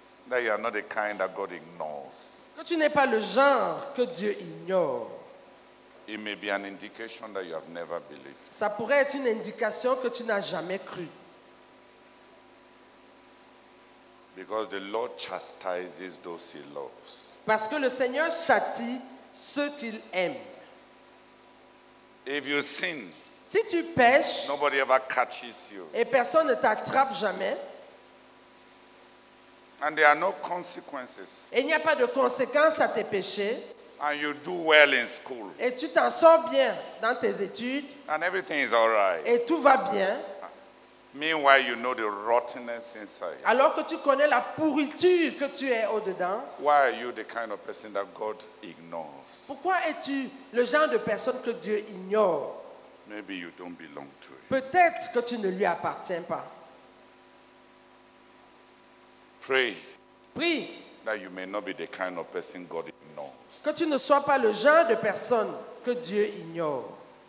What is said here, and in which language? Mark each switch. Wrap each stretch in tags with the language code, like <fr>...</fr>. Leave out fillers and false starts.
<en>that you are not the kind that God ignores.</en> <fr>Que tu n'es pas le genre que Dieu ignore.</fr> <en>It may be an indication that you have never believed.</en> <fr>Ça pourrait être une indication que tu n'as jamais cru.</fr> <en>Because the Lord chastises those he loves.</en> <fr>Parce que le Seigneur châtie ceux qu'il aime.</fr> <en>If you sin,</en> <fr>si tu pêches,</fr> <en>nobody ever catches you.</en> <fr>Et personne ne t'attrape jamais.</fr> <en>And there are no consequences.</en> <fr>Et il n'y a pas de conséquences à tes péchés.</fr> <en>And you do well in school.</en> <fr>Et tu t'en sors bien dans tes études.</fr> <en>And everything is all right.</en> <fr>Et tout va bien.</fr> <en>Meanwhile, you know the rottenness inside.</en> <fr>Alors que tu connais la pourriture que tu es au-dedans.</fr> <en>Why are you the kind of person that God ignores?</en> <fr>Pourquoi es-tu le genre de personne que Dieu ignore?</fr> <en>Maybe you don't belong to him.</en> <fr>Peut-être que tu ne lui appartiens pas.</fr> <en>Pray.</en> <fr>Prie.</fr> <en>That you may not be the kind of person God ignores.</en> <fr>Que tu ne sois pas le genre de personne que Dieu ignore.</fr>